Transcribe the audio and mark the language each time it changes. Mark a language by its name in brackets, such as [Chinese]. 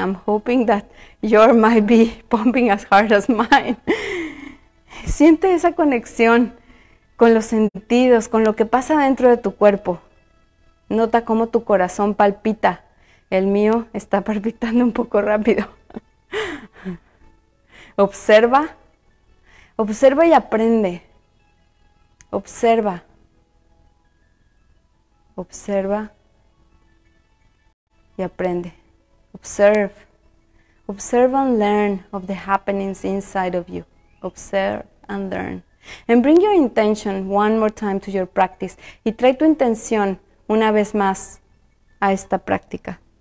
[English] I'm hoping that your might be pumping as hard as mine. [Spanish] Siente esa conexión con los sentidos, con lo que pasa dentro de tu cuerpo. Nota cómo tu corazón palpita. El mío está palpitando un poco rápido. Observa. Observa y aprende. Observa. Observa. y aprende. [English] Observe. Observe and learn of the happenings inside of you. Observe and learn. And bring your intention one more time to your practice. [Spanish] Y trae tu intención una vez más a esta práctica.